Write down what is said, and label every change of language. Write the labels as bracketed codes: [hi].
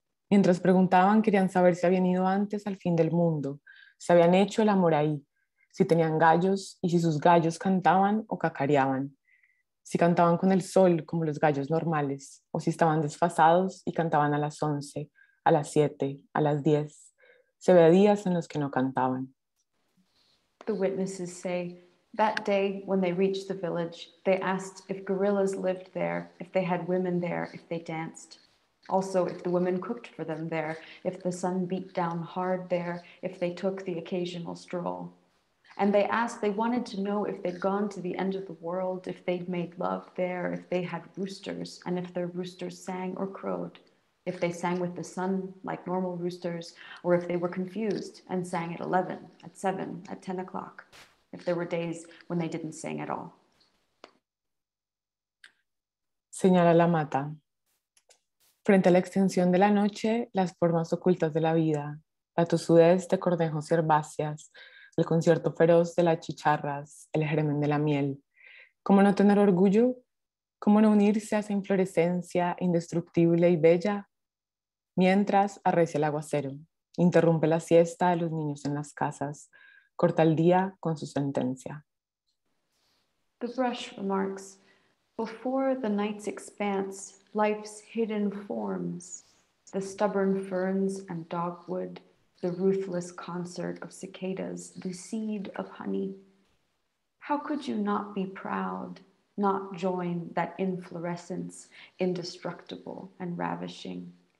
[es] Mientras preguntaban, querían saber si habían ido antes al fin del mundo, si habían hecho el amor ahí, si tenían gallos y si sus gallos cantaban o cacareaban. Si cantaban con el sol como los gallos normales o si estaban desfasados y cantaban a las 11, a las 7, a las 10. Se veía días en los que no cantaban. [en] The witnesses say, that day when they reached the village, they asked if gorillas lived there, if they had women there, if they danced. Also, if the women cooked for them there, if the sun beat down hard there, if they took the occasional stroll. And they asked, they wanted to know if they'd gone to the end of the world, if they'd made love there, if they had roosters, and if their roosters sang or crowed, if they sang with the sun like normal roosters, or if they were confused and sang at 11, at 7, at 10 o'clock, if there were days when they didn't sing at all. [es] Señala la mata. Frente a la extensión de la noche, las formas ocultas de la vida, la tosudez de cordejos y herbáceas, el concierto feroz de las chicharras, el germen de la miel. ¿Cómo no tener orgullo? ¿Cómo no unirse a esa inflorescencia indestructible y bella? Mientras arrecia el aguacero, interrumpe la siesta de los niños en las casas, corta el día con su sentencia. [en] The brush remarks, before the night's expanse, life's hidden forms, the stubborn ferns and dogwood, the ruthless concert of cicadas, the seed of honey. How could you not be proud, not join that inflorescence, indestructible and ravishing?